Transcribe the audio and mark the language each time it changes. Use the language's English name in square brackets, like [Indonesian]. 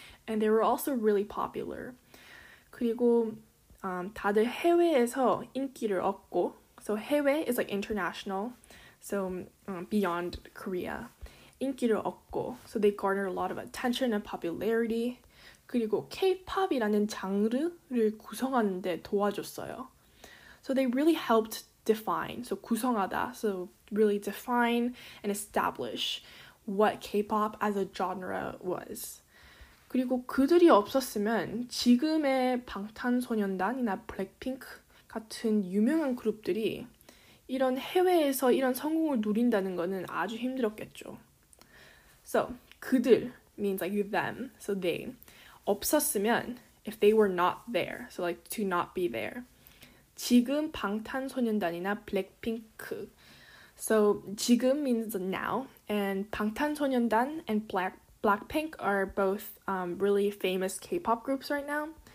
[English] And they were also really popular. [Korean] 그리고 다들 해외에서 인기를 얻고, [English] so 해외 is like international, so beyond Korea. [Korean] 인기를 얻고, [English] so they garnered a lot of attention and popularity. [Korean] 그리고 K-pop이라는 장르를 구성하는 데 도와줬어요. [English] So they really helped define, so 구성하다, so really define and establish what K-pop as a genre was. [Korean] 그리고 그들이 없었으면 지금의 방탄소년단이나 블랙핑크 같은 유명한 그룹들이 이런 해외에서 이런 성공을 누린다는 거는 아주 힘들었겠죠. [English] So 그들 means like them, so they, 없었으면, if they were not there, so like to not be there. [Korean] 지금 방탄소년단이나 블랙핑크. [English] So 지금 means now, and 방탄소년단 and Blackpink are both really famous K-pop groups right now.